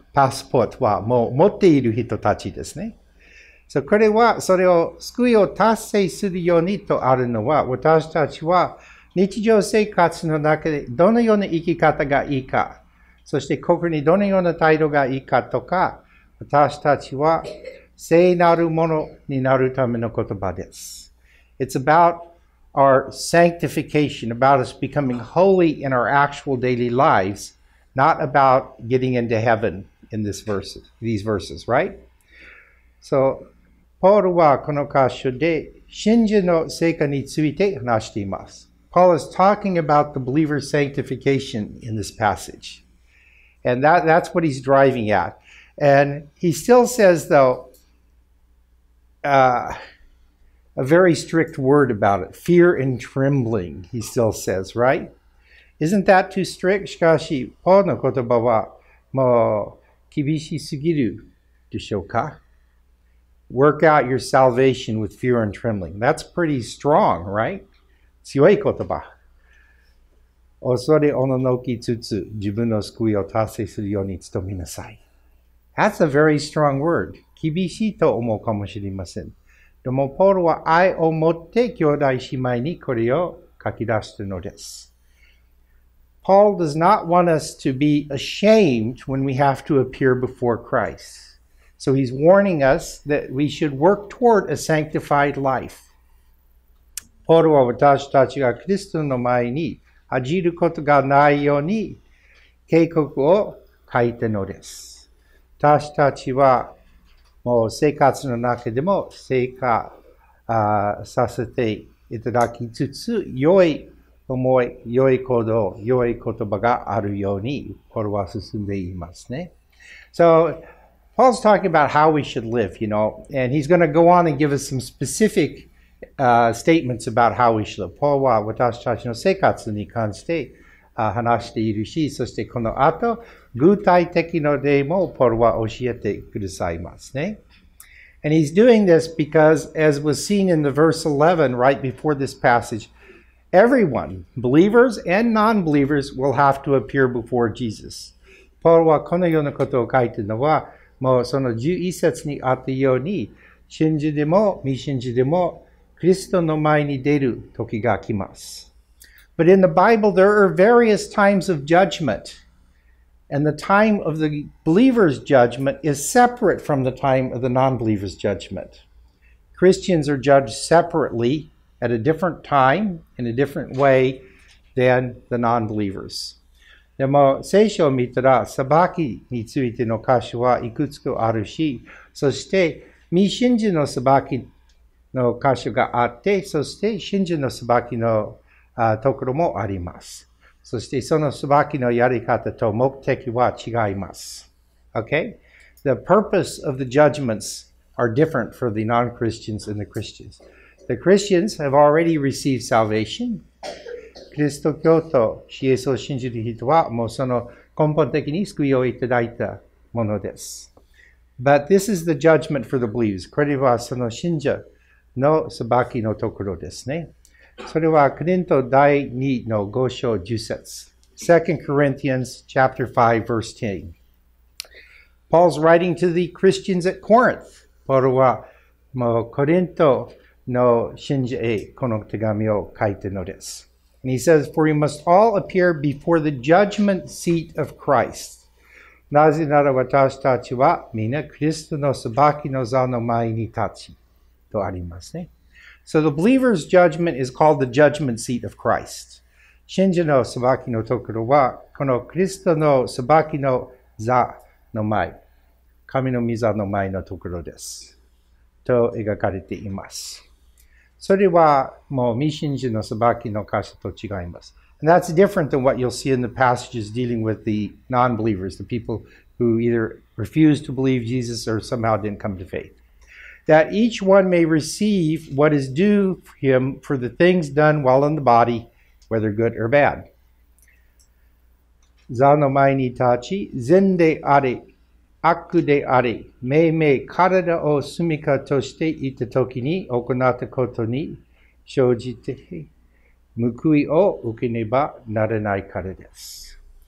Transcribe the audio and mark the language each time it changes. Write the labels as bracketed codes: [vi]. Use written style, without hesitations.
[ja] パスポートはもう持っている人たちですね。So, これはそれを救いを達成するようにとあるのは、私たちは日常生活の中でどのような生き方がいいか、そして心にどのような態度がいいかとか、私たちは聖なるものになるための言葉です。 [en] It's about our sanctification, about us becoming holy in our actual daily lives, not about getting into heaven in this verse, these verses, right? [ja] So, Paul はこの箇所で信者の聖化について話しています。 [en] Paul is talking about the believer's sanctification in this passage. And that's what he's driving at. And he still says, though, a very strict word about it. Fear and trembling, he still says, right? Isn't that too strict? [ja] しかし、ポーの言葉はもう厳しすぎるでしょうか? [en] Work out your salvation with fear and trembling. That's pretty strong, right? [ja] 強い言葉。恐れおののきつつ、自分の救いを達成するように努めなさい。 [en] That's a very strong word. [ja] 厳しいと思うかもしれません。でも、ポールは愛を持って兄弟姉妹にこれを書き出したのです。 [en] Paul does not want us to be ashamed when we have to appear before Christ. So he's warning us that we should work toward a sanctified life. [ja] ポールは私たちがキリストの前に恥じることがないように警告を書いたのです。私たちはもう生活の中でも成果させていただきつつ、良い思い、良い行動、良い言葉があるように、ポールは進んでいますね。 [en] So,Paul's talking about how we should live, you know, and he's going to go on and give us some specificstatements about how we should live. [ja] Paul は私たちの生活に関して話しているし、そしてこの後、具体的な例も Paul は教えてくださいますね。 [en] And he's doing this because, as was seen in the verse 11, right before this passage, everyone, believers and non-believers, will have to appear before Jesus. [ja] Paul はこのようなことを書いているのは、もうその11節にあったように、信者でも未信者でも、キリストの前に出る時が来ます。 [en] But in the Bible, there are various times of judgment. And the time of the believer's judgment is separate from the time of the non-believer's judgment. Christians are judged separately at a different time, in a different way than the non-believers. [ja] でも、聖書を見たら、裁きについての箇所はいくつかあるし、そして、未信者の裁きの箇所があって、そして信者の裁きのところもあります。そしてその裁きのやり方と目的は違います。 [en] Okay? The purpose of the judgments are different for the non-Christians and the Christians. The Christians have already received salvation. [ja] キリスト教徒、イエスを信じる人はもうその根本的に救いをいただいたものです。 [en] But this is the judgment for the believers. [ja] これはその信者の裁きのところですね。それはコリント第2の5章10節。 [en] 2 Corinthians chapter 5 verse 10. Paul's writing to the Christians at Corinth. [ja] ポールはもうコリントの信者へこの手紙を書いてのです。 [en] And he says, For you must all appear before the judgment seat of Christ. [ja] なぜなら私たちはみんなキリストの裁きの座の前に立ち。とありますね。 [en] So the believer's judgment is called the judgment seat of Christ. [ja] 信者の裁きのところは、このキリストの裁きの座の前、神の御座の前のところです。と描かれています。それはもう未信者の裁きの箇所と違います。 [en] And that's different than what you'll see in the passages dealing with the non-believers, the people who either refused to believe Jesus or somehow didn't come to faith. That each one may receive what is due him for the things done while in the body, whether good or bad. [ja] 座の前に立ち、善であれ、悪であれ、めい体を住みかとしていたときに行ったことに生じて、報いを受けねばならないからです。